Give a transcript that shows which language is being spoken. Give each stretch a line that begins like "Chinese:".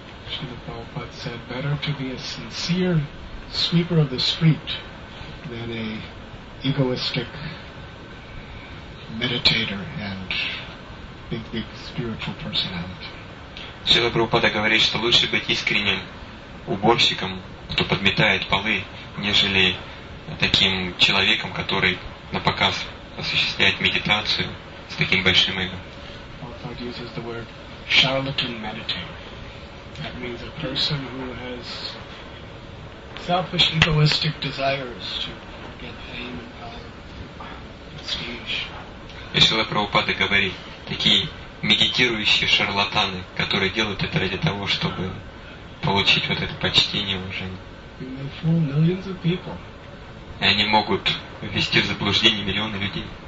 English: Шрила Прабхупада said, better to be a sincere sweeper of the street than a egoistic meditator and big spiritual personality.
Russian: Шрила Прабхупада говорит, что лучше быть искренним уборщиком, кто подметает полы, нежели таким человеком, который на показ осуществляет медитацию с таким большим эго.
English: Prabhupada uses the word charlatan meditator. That means a person who has selfish, egoistic desires to get fame and power and prestige.
Russian: Prabhupada говорит, такие медитирующие шарлатаны, которые делают это ради того, чтобы получить вот это почтение уже.
English: And they fool millions of people.
Russian: И они могут ввести в заблуждение миллионы людей.